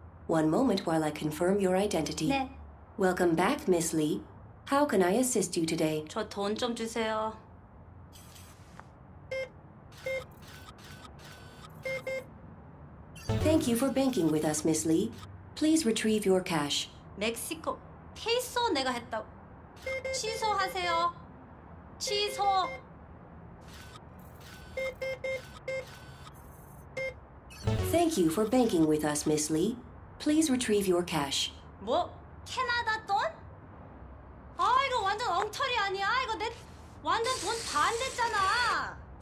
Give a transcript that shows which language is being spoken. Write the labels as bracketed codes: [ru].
[en] One moment while I confirm your identity. [ko] 네. [en] Welcome back, Miss Lee. How can I assist you today? [ko] 저 돈 좀 주세요. [en] Thank you for banking with us, Miss Lee. Please retrieve your cash. [ko] 멕시코 페소 내가 했다고. 취소하세요. 취소. [en] Thank you for banking with us, Miss Lee. Please retrieve your cash. [ko] 뭐? 캐나다 돈? 아, 이거 완전 엉터리 아니야? 이거 내 완전 돈 반대잖아.